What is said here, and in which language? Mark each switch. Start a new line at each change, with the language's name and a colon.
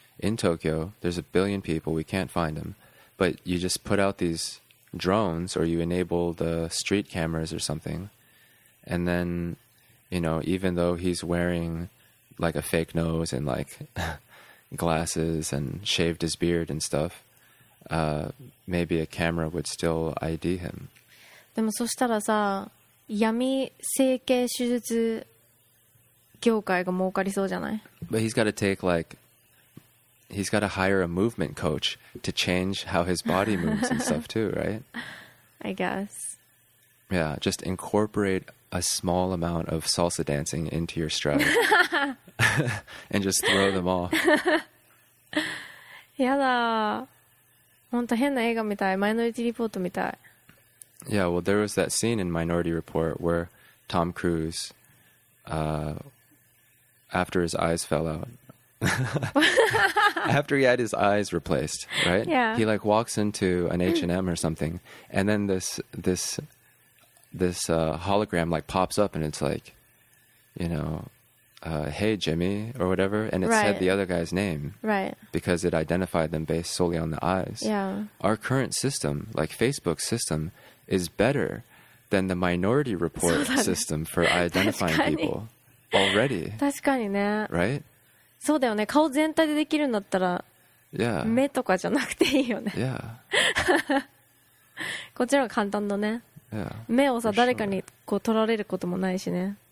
English: In Tokyo, there's a billion people. We can't find them. But you just put out these drones or you enable the street cameras or something. And then, you know, even though he's wearing like a fake nose and like glasses and shaved his beard and stuff, maybe a camera would still ID him.
Japanese: でもそしたらさ、闇整形手術業界が儲かりそうじゃない?
English: But he's got to take like... He's got to hire a movement coach to change how his body moves and stuff too, right? I guess. Yeah, just incorporate a small amount of salsa dancing into your strategy and just throw them off.
Japanese: やだ。本当変な映画みたい。マイノリティリポートみたい。
English: Yeah, well, there was that scene in Minority Report where Tom Cruise, after his eyes fell out, after he had his eyes replaced, right? Yeah. He like walks into an H&M or something, and then this hologram like pops up and it's like, you know, hey, Jimmy, or whatever. And it said the other guy's name. Right. Because it identified them based solely on the eyes. Yeah. Our current system, like Facebook's system, is better than the Minority Report system for identifying people already.
Japanese: 確かにね。
English: Right?
Japanese: そうだよね。顔全体でできるんだったら、
English: yeah.
Japanese: 目とかじゃなくていいよね。
English: Yeah.
Japanese: こっちの方が簡単だね。
English: Yeah,
Japanese: 目をさ、誰かにこう取られることもないしね。